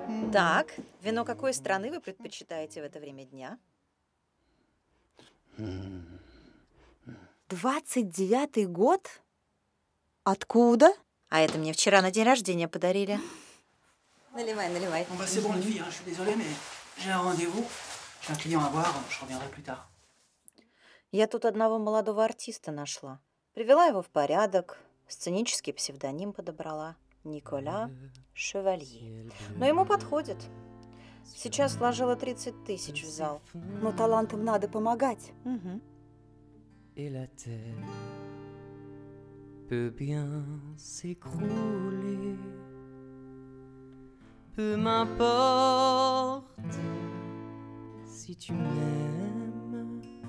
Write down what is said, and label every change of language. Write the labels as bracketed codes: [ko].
[ru] Так, вино какой страны вы предпочитаете в это время дня? 29-й год? Откуда? А это мне вчера на день рождения подарили. Наливай, наливай. [fr] Ну, c'est bon, les filles, hein, je suis désolé, mais j'ai un rendez-vous. J'ai un client à voir, je reviendrai plus tard. [ru] Я тут одного молодого артиста нашла. Привела его в порядок, сценический псевдоним подобрала. Никола Шевалье. Но ему подходит. Сейчас вложила 30 тысяч в зал. Но талантам надо помогать. [fr] И la terre peut bien s'écrouler. Peu m'importe si tu m'aimes.